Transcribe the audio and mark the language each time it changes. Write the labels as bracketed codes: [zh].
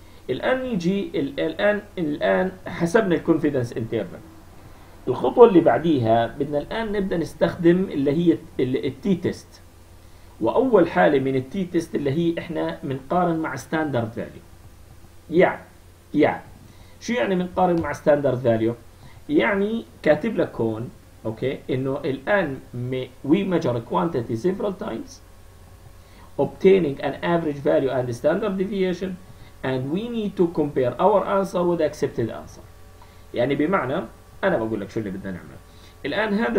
[ar] الآن يجي الآن حسبنا الكونفيدنس انترفال. الخطوة اللي بعديها بدنا الآن نبدأ نستخدم اللي هي التي تيست. وأول حالة من التي تيست اللي هي إحنا بنقارن مع ستاندرد فاليو. يعني شو يعني بنقارن مع ستاندرد فاليو؟ يعني كاتب لك هون أوكي إنه الآن [en] we measure quantity several times obtaining an average value and standard deviation and we need to compare our answer with accepted answer. [ar] يعني بمعنى انا بقول لك شو اللي بدنا نعمل الان.